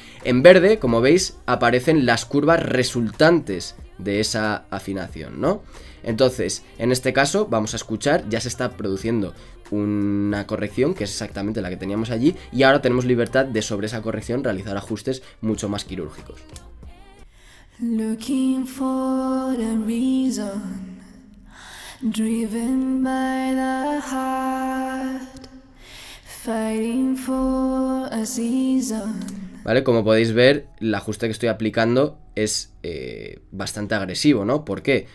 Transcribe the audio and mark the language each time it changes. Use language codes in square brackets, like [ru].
[es] En verde, como veis, aparecen las curvas resultantes de esa afinación, ¿no? Entonces, en este caso, vamos a escuchar, ya se está produciendo una corrección, que es exactamente la que teníamos allí, y ahora tenemos libertad de, sobre esa corrección, realizar ajustes mucho más quirúrgicos. [en] Looking for a reason, driven by the heart, fighting for a season. [es] Vale, como podéis ver, el ajuste que estoy aplicando es bastante agresivo, ¿no? ¿Por qué?